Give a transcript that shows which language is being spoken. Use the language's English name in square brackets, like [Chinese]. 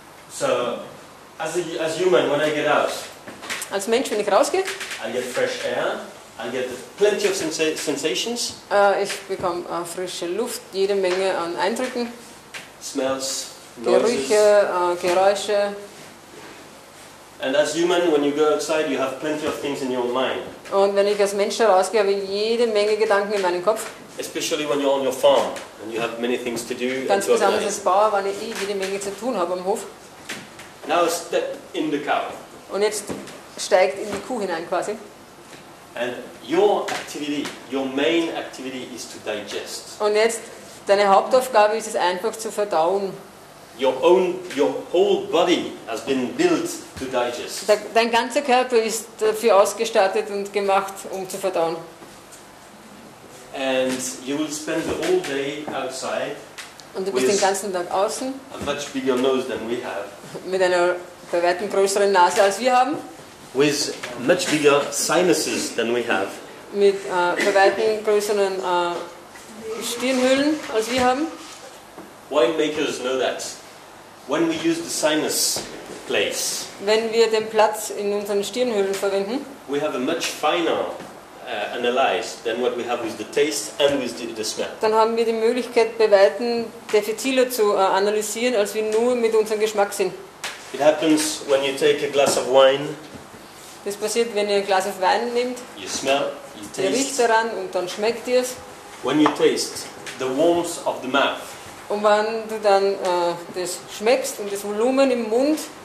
[English] So, as human, when I get out. [German] Als Mensch, wenn ich rausgehe. [English] I get fresh air. I get plenty of sensations. [German] Ich bekomme frische Luft, jede Menge an Eindrücken. [English] Smells, [German] Gerüche, Geräusche. [English] And as human, when you go outside, you have plenty of things in your mind. [German] Und wenn ich als Mensch rausgehe, habe ich jede Menge Gedanken in meinem Kopf. [English] Especially when you're on your farm and you have many things to do. [German] Ganz besonders als Bauer, wenn ich jede Menge zu tun habe am Hof. [English] Now step in the cow. [German] Und jetzt steigt in die Kuh hinein quasi. [English] And your activity, your main activity is to digest. [German] Und jetzt, deine Hauptaufgabe ist es einfach zu verdauen. [English] Your whole body has been built to digest. [German] Dein ganzer Körper ist dafür ausgestattet und gemacht, um zu verdauen. [English] And you will spend the whole day outside. [German] Und du bist den ganzen Tag außen. [English] A much bigger nose than we have. [German] Mit einer bei weitem größeren Nase als wir haben. [English] With much bigger sinuses than we have. [German] Mit bei weitem größeren Stirnhöhlen als wir haben. [English] Winemakers know that. When we use the sinus place. [German] Wenn wir den Platz in unseren Stirnhöhlen verwenden. [English] We have a much finer analyze than what we have with the taste and with the smell. [German] Dann haben wir die Möglichkeit, bei weitem defiziler zu analysieren, als wir nur mit unserem Geschmack sind. [English] It happens when you take a glass of wine. [German] Das passiert, wenn ihr ein Glas auf Wein nehmt. [English] You smell, you taste. [German] Ihr riecht daran und dann schmeckt ihr es. [English] When you taste the warmth of the mouth. [German] Und wenn du dann das schmeckst und das Volumen im Mund.